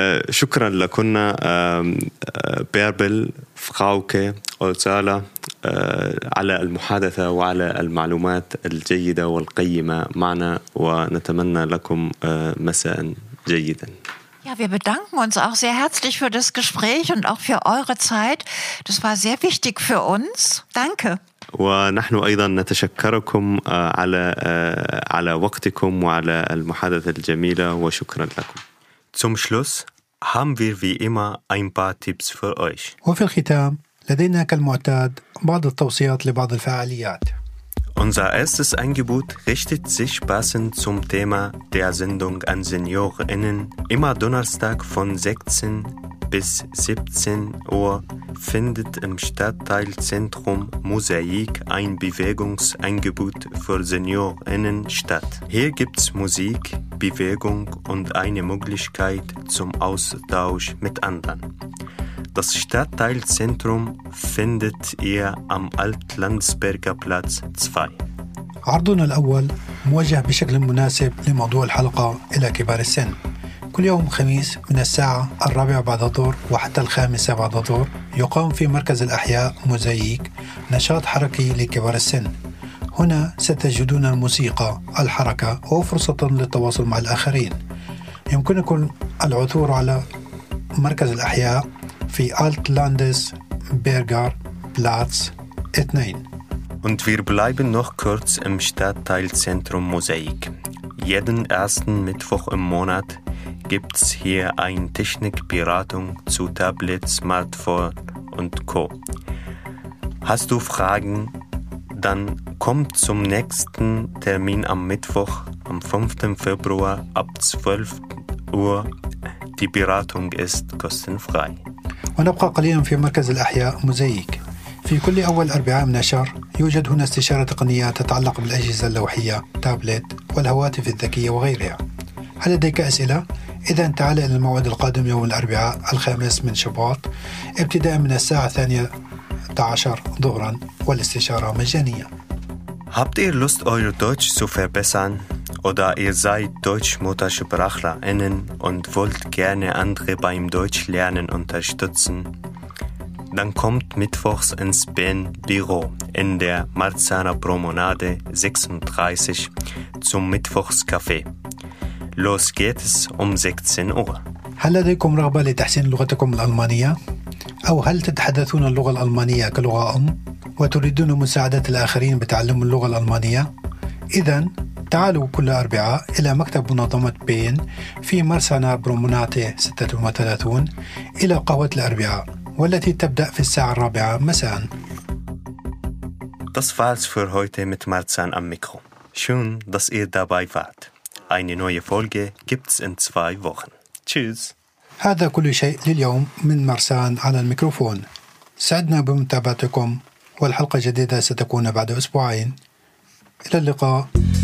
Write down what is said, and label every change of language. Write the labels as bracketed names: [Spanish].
[Arabic] شكرا لكنا بيربل فراوكي أوزالا على المحادثة وعلى المعلومات الجيدة والقيمة معنا ونتمنى لكم مساء جيدا. [German] Ja, wir bedanken uns auch sehr herzlich für das Gespräch und auch für eure Zeit. Das war sehr wichtig für uns. Danke. [Arabic] ونحن أيضا نتشكركم على وقتكم وعلى المحادثة الجميلة وشكرا لكم. [German] Zum Schluss haben wir wie immer ein paar Tipps für euch. [Arabic] وفي الختام لدينا كالمعتاد بعض التوصيات لبعض الفعاليات. [German] Unser erstes Angebot richtet sich passend zum Thema der Sendung an SeniorInnen immer Donnerstag von 16 bis 17 Uhr findet im Stadtteilzentrum Mosaik ein Bewegungsangebot für SeniorInnen statt. Hier gibt's Musik, Bewegung und eine Möglichkeit zum Austausch mit anderen. Das Stadtteilzentrum findet ihr am Altlandsberger Platz 2. [Arabic] عرضنا الأول موجه بشكل مناسب لموضوع الحلقة إلى كبار السن. كل يوم خميس من الساعة 4 PM وحتى 5 PM يقام في مركز الأحياء موزايك نشاط حركي لكبار السن. هنا ستجدون الموسيقى، الحركة وفرصة للتواصل مع الآخرين. يمكنكم العثور على مركز الأحياء في Altlandes Berger Platz 2. [German] Und wir bleiben noch kurz im Stadtteilzentrum Mosaik. Jeden ersten Mittwoch im Monat gibt's hier eine Technikberatung zu Tablet, Smartphone und Co. Hast du Fragen? Dann komm zum nächsten Termin am Mittwoch, am 5. Februar ab 12 Uhr. Die Beratung ist kostenfrei. [Arabic] ونبقى قليلا في مركز الأحياء موزايك. في كل أول 4 من الشهر يوجد هنا استشارة تقنية تتعلق بالأجهزة اللوحية، تابلت والهواتف الذكية وغيرها. هل لديك أسئلة؟ إذن تعال إلى الموعد القادم يوم 4/5 ابتداء من الساعة 12 PM والاستشارة مجانية. [German] Habt ihr Lust, euer Deutsch zu verbessern? Oder ihr seid DeutschmuttersprachlerInnen und wollt gerne andere beim Deutschlernen unterstützen? Dann kommt mittwochs ins BEN-Büro in der Marzahner Promenade 36 zum Mittwochscafé. Los geht es um 16 Uhr. [Arabic] هل لديكم رغبة لتحسين لغتكم الألمانية؟ أو هل تتحدثون اللغة الألمانية كلغة أم وتريدون مساعدة الآخرين بتعلم اللغة الألمانية؟ إذن تعالوا كل أربعاء إلى مكتب منظمة بين في مرسانا بروموناتي 36 إلى قهوة الأربعاء والتي تبدأ في الساعة 4 مساء. [German] Das war's für heute mit Marzahn am Mikro. Schön, dass ihr dabei wart. Eine neue Folge gibt's in 2 Wochen. Tschüss. [Arabic] هذا كل شيء لليوم من مرسان على الميكروفون. سعدنا بمتابعتكم والحلقة الجديدة ستكون بعد أسبوعين. إلى اللقاء.